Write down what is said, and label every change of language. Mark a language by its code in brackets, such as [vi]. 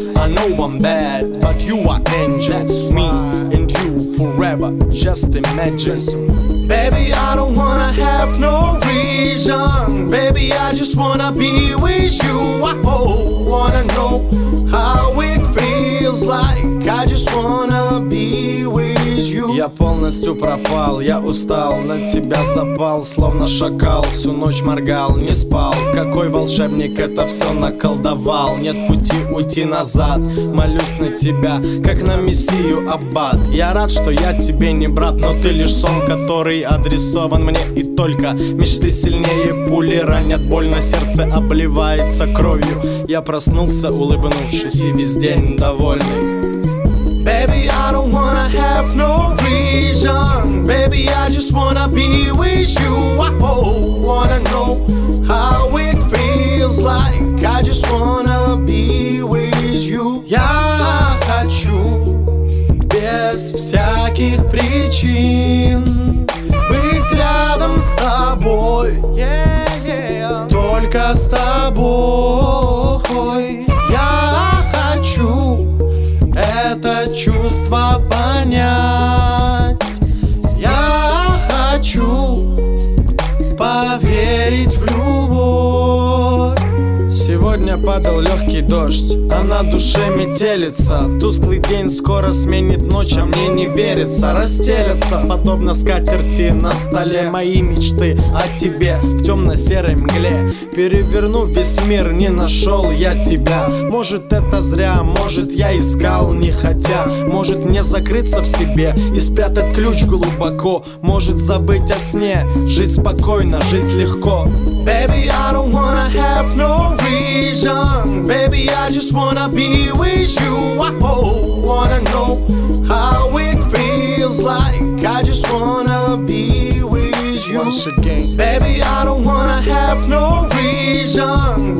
[en] I know I'm bad, but you are angels. That's me and you forever, just imagine. Baby, I don't wanna have no reason. Baby, I just wanna be with you. I wanna know how it feels like. I just wanna be with you. [ru] Я полностью пропал, я устал, на тебя запал, словно шакал. Всю ночь моргал, не спал. Какой волшебник это все наколдовал? Нет пути уйти назад. Молюсь на тебя, как на мессию аббат. Я рад, что я тебе не брат, но ты лишь сон, который адресован мне. И только мечты сильнее пули ранят, больно сердце обливается кровью. Я проснулся, улыбнувшись, и весь день довольный. [en] Baby, I don't wanna have no reason. Baby, I just wanna be with you. I wanna know how it feels like. I just wanna be with you. [ru] Я хочу без всяких причин быть рядом с тобой. Yeah, yeah. Только с тобой. Я хочу это чувство понять. Я хочу поверить в любовь. Сегодня падал легкий дождь, а на душе метелица. Тусклый день скоро сменит ночь, а мне не верится. Расстелятся, подобно скатерти на столе, мои мечты о тебе в темно-серой мгле. Переверну весь мир, не нашел я тебя. Может это зря, может я искал не хотя. Может мне закрыться в себе и спрятать ключ глубоко. Может забыть о сне, жить спокойно, жить легко. [en] Baby, I don't wanna have no reason. Baby, I just wanna be with you. I wanna know how it feels like. I just wanna be with you. Once again. Baby, I don't wanna have no reason.